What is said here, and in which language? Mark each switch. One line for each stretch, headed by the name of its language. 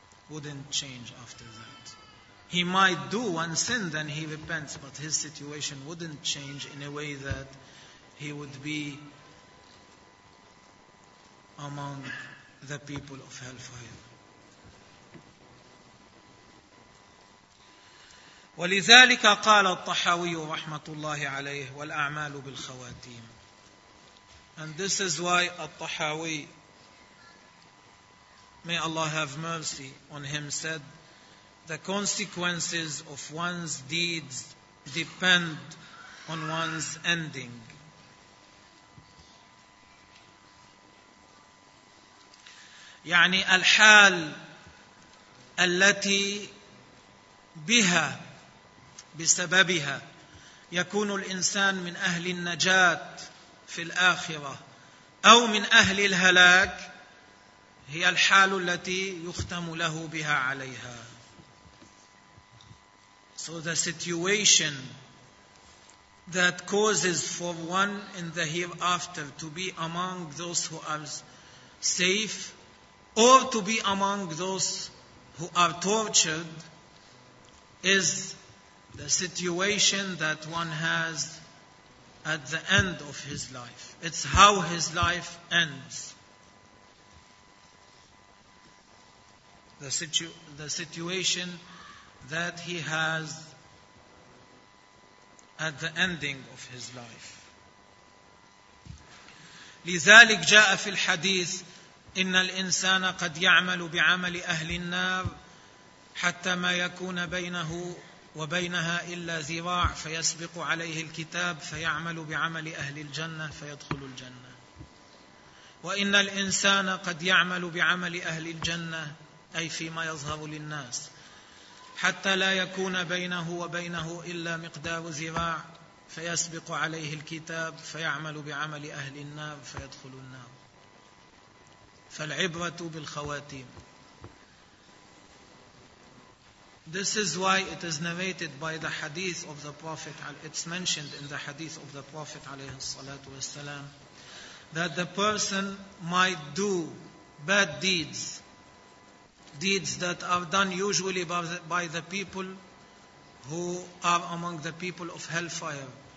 English: Wouldn't change after that. He might do one sin, then he repents, but his situation wouldn't change in a way that he would be among the people of hellfire.
Arabic: ولذلك قال الطحاوي رحمة الله عليه والأعمال بالخواتيم.
English: And this is why الطحاوي, may Allah have mercy on him, said, the consequences of one's deeds depend on one's ending.
Arabic: يعني الحال التي بها بسببها يكون الإنسان من أهل النجاة في الآخرة أو من أهل الهلاك هي الحال التي يختم له بها عليها.
English: So the situation that causes for one in the hereafter to be among those who are safe, or to be among those who are tortured is the situation that one has at the end of his life. It's how his life ends. The situation that he has at the ending of his life.
Arabic: لذلك جاء في الحديث إن الإنسان قد يعمل بعمل أهل النار حتى ما يكون بينه وبينها إلا ذراع فيسبق عليه الكتاب فيعمل بعمل أهل الجنة فيدخل الجنة وإن الإنسان قد يعمل بعمل أهل الجنة أي فيما يظهر للناس حتى لا يكون بينه وبينه إلا مقدار ذراع فيسبق عليه الكتاب فيعمل بعمل أهل النار فيدخل النار فالعبرة بالخواتيم.
English: This is why it is narrated by the hadith of the Prophet, it's mentioned in the hadith of the Prophet
Arabic: عليه الصلاة والسلام,
English: that the person might do bad deeds, deeds that are done usually by the people who are among the people of hellfire.